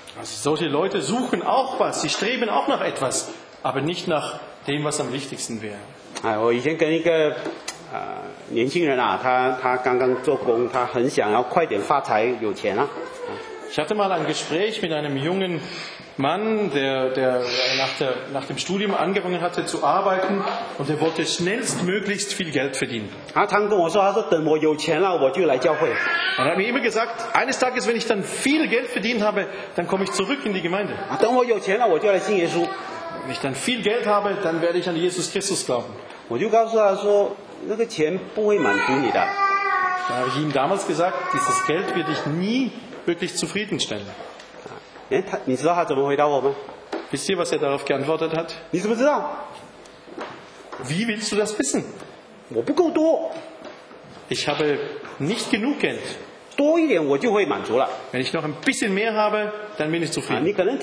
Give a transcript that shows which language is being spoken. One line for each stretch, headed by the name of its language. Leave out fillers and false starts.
German: solche Leute suchen auch was, sie streben auch nach etwas, aber nicht nach dem, was am wichtigsten wäre.
Chinese: 哎，我以前跟一个年轻人啊，他刚刚做工，他很想要快点发财有钱啊。
German: Ich hatte mal ein Gespräch mit einem jungen Mann, der nach dem Studium angefangen hatte zu arbeiten und er wollte schnellstmöglichst viel Geld verdienen.
Chinese: 啊，他跟我说，他说等我有钱了，我就来教会。
German: Er hat mir immer gesagt, eines Tages, wenn ich dann viel Geld verdient habe, dann komme ich zurück in die Gemeinde.
Chinese: 啊，等我有钱了，我就来信耶稣。
German: Wenn ich dann viel Geld habe, dann werde ich an Jesus Christus glauben.
Chinese: 我就告诉他说，那个钱不会满足你的。
German: Da habe ich ihm damals gesagt, dieses Geld wird dich nie wirklich zufriedenstellen. Wisst ihr, was er darauf geantwortet hat? Wie willst du das wissen? Ich habe nicht genug Geld. Wenn ich noch ein bisschen mehr habe, dann bin ich zufrieden.